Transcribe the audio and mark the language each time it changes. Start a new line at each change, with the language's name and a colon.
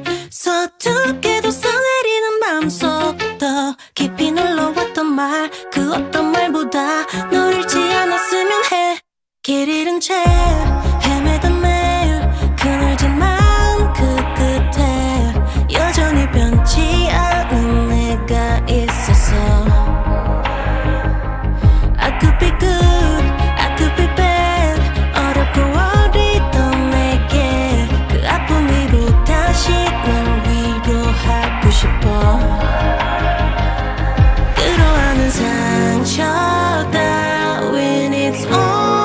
Korean: 서툴게도 써내리는 마음속 더 깊이 눌러왔던 말 그 어떤 말보다 널 잃지 않았으면 해. 길 잃은 채 헤매던 매일 그늘진 마음 그 끝에 여전히 변치 않은 내가 있었어.
English: I could be good, I could be bad.
Korean: 어렵고 어리던 내게 그 아픔으로 다시 널 위로하고 싶어. 끌어안은 상처 따윈
English: it's all.